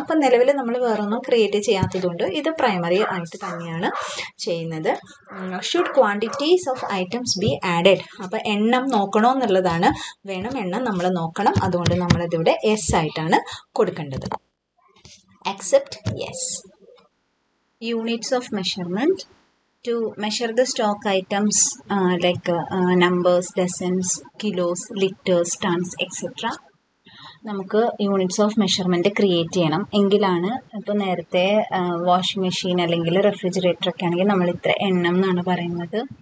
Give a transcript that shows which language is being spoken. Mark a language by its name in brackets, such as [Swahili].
[Malayalam] അപ്പം നിലവിൽ നമ്മൾ വേറൊന്നും ക്രിയേറ്റ് ചെയ്യാത്തതുകൊണ്ട് ഇത് പ്രൈമറി ആയിട്ട് തന്നെയാണ് ചെയ്യുന്നത്. [English] Should quantities of items be added. [Malayalam] അപ്പോൾ എണ്ണം നോക്കണമെന്നുള്ളതാണ്, വേണം എണ്ണം നമ്മൾ നോക്കണം. അതുകൊണ്ട് നമ്മളിതിവിടെ എസ് ആയിട്ടാണ് കൊടുക്കേണ്ടത്. [English] Accept yes. units of measurement to measure the stock items like numbers, decimals, kilos, liters, tons, etc. [Malayalam] നമുക്ക് യൂണിറ്റ്സ് ഓഫ് മെഷർമെൻറ്റ് ക്രിയേറ്റ് ചെയ്യണം. എങ്കിലാണ് ഇപ്പോൾ നേരത്തെ വാഷിംഗ് മെഷീൻ അല്ലെങ്കിൽ റെഫ്രിജറേറ്റർ ഒക്കെ ആണെങ്കിൽ നമ്മൾ ഇത്ര എണ്ണം എന്നാണ് പറയുന്നത്.